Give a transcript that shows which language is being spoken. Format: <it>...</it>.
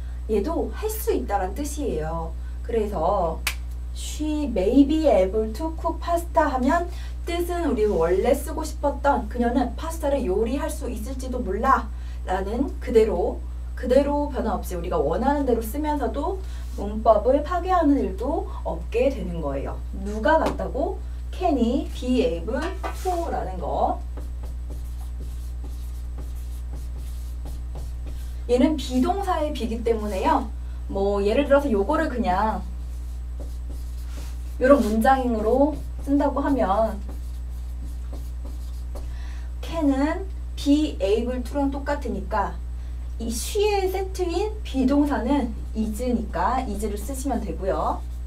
<ko>얘도 할 수 있다란 뜻이에요. 그래서</ko> <en>she may be able to cook pasta</en> <ko>하면 뜻은 우리 원래 쓰고 싶었던 그녀는 파스타를 요리할 수 있을지도 몰라 라는 그대로 변화 없이 우리가 원하는 대로 쓰면서도 문법을 파괴하는 일도 없게 되는 거예요. 누가 같다고? Can이 be able to라는 거. 얘는 비동사의 비기 때문에요. 뭐 예를 들어서 요거를 그냥 이런 문장으로 쓴다고 하면 Can은 be able to랑 똑같으니까 이 she의 세트인 비동사는 is니까 is를 쓰시면 되고요.</ko>